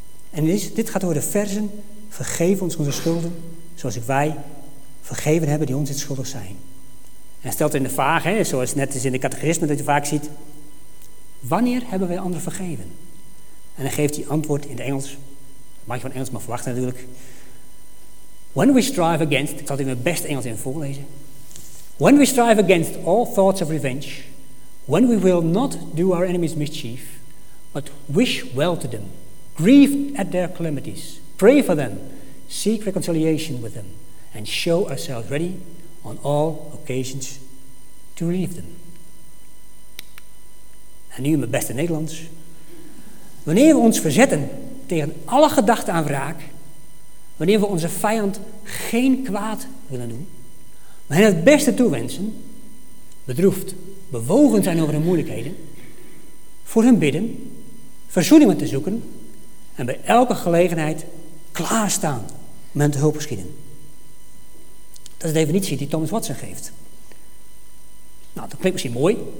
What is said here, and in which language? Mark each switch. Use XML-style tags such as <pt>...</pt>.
<nl>En dit gaat over de verzen, vergeef ons onze schulden, zoals wij vergeven hebben die ons het schuldig zijn. En hij stelt in de vraag, hè, zoals net is in de catechisme dat je vaak ziet, wanneer hebben wij anderen vergeven? En dan geeft hij antwoord in het Engels. Dat mag je van Engels maar verwachten natuurlijk.</nl> <en>When we strive against,</en> <nl>ik zal het in mijn beste Engels even voorlezen.</nl> <en>When we strive against all thoughts of revenge, when we will not do our enemies mischief, but wish well to them, grieve at their calamities, pray for them, seek reconciliation with them, and show ourselves ready on all occasions to relieve them.</en> <nl>En nu in mijn beste Nederlands. Wanneer we ons verzetten tegen alle gedachten aan wraak, wanneer we onze vijand geen kwaad willen doen, maar hen het beste toewensen, bedroefd, bewogen zijn over hun moeilijkheden, voor hen bidden, verzoening met te zoeken en bij elke gelegenheid klaarstaan met hulp geschieden. Dat is de definitie die Thomas Watson geeft. Nou, dat klinkt misschien mooi.</nl>